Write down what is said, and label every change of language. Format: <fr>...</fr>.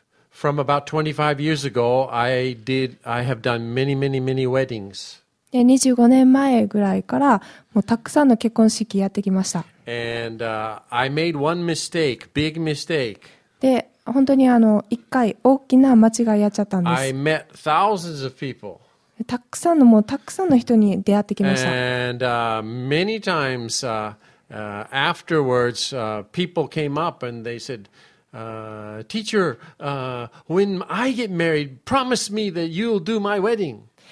<en>From about 25 years ago, I have done many, many, many weddings.</en> <ja>25年前ぐらいからもうたくさんの結婚式やってきました。</ja> <en>And I made one mistake, big mistake.</en> <ja>で、本当に一回大きな間違いやっちゃったんです。</ja> <en>I met thousands of people.</en> <ja>たくさんのもうたくさんの人に出会ってきました。</ja> <en>And many times afterwards, people came up and they said,teacher, when I get married, promise me that you'll do my wedding.</en>